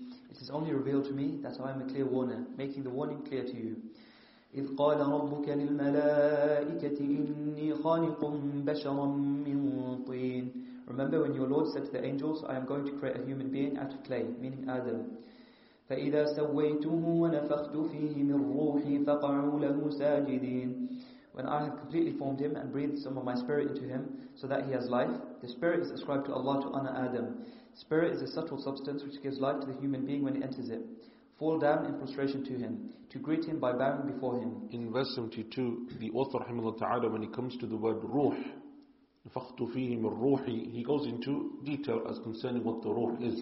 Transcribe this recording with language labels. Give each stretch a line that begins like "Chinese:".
English: It is only revealed to me that I am a clear warner, making the warning clear to you.
Arabic: إِذْ قَالَ رَبُّكَ لِلْمَلَائِكَةِ إِنِّي خَالِقٌ بَشَرًا مِّن طِينٍ.
English: Remember when your Lord said to the angels, I am going to create a human being out of clay, meaning Adam.
Arabic: فإذا سويته ونفخت فيه من روحي فقعوا له ساجدين.
English: When I have completely formed him and breathed some of my spirit into him so that he has life, the spirit is ascribed to Allah to honor Adam. Spirit is a subtle substance which gives life to the human being when he enters it. Fall down in prostration to him, to greet him by bowing before him. In verse 72, the author, rahimahullah ta'ala, when he comes to the word ruh,
Arabic: نَفَخْتُ فِيهِ مِنْ رُوحِ,
English: he goes into detail as concerning what the ruh is.